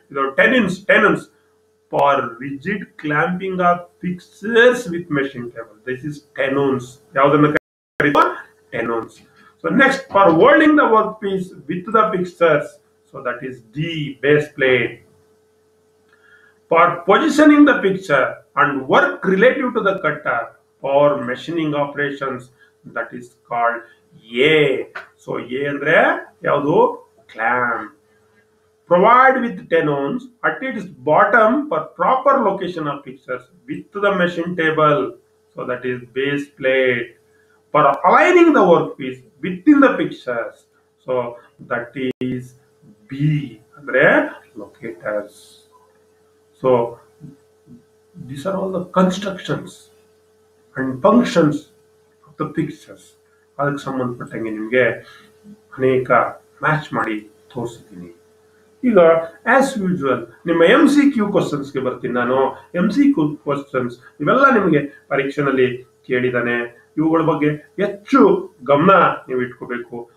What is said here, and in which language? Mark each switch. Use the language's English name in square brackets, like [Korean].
[English] ಇದು tenons. For rigid clamping of fixtures with machine table this is tenons. [Kannada] ಯಾವ್ದನ್ನ ಕರೀತೋ? [English] Tenons. So next, for holding the work piece with the fixtures, so that is the base plate. for positioning the fixture and work relative to the cutter or machining operations, that is called A. So A [Kannada] andre yavadu [English] clamp. Provide with tenons at its bottom for proper location of fixtures with the machine table, so that is base plate, for aligning the workpiece within the fixtures, so that is B andre locators. So these are all the constructions and functions of the fixtures. [Kannada] ಅದಕ್ಕೆ ಸಂಬಂಧಪಟ್ಟಂಗೆ ನಿಮಗೆ ಅನೇಕ match ಮಾಡಿ ತೋರಿಸಿದ್ದೀನಿ. ಈಗ as usual ನಿಮ್ಮ M C Q ಕ್ವಶನ್ಸ್ಗೆ ಬರ್ತೀನಿ ನಾನು. ಎಂ ಸಿ ಕ್ಯೂ ಕ್ವಶನ್ಸ್ ಇವೆಲ್ಲ ನಿಮಗೆ ಪರೀಕ್ಷೆನಲ್ಲಿ ಕೇಳಿದಾನೆ, ಇವುಗಳ ಬಗ್ಗೆ ಹೆಚ್ಚು ಗಮನ ನೀವು ಇಟ್ಕೋಬೇಕು.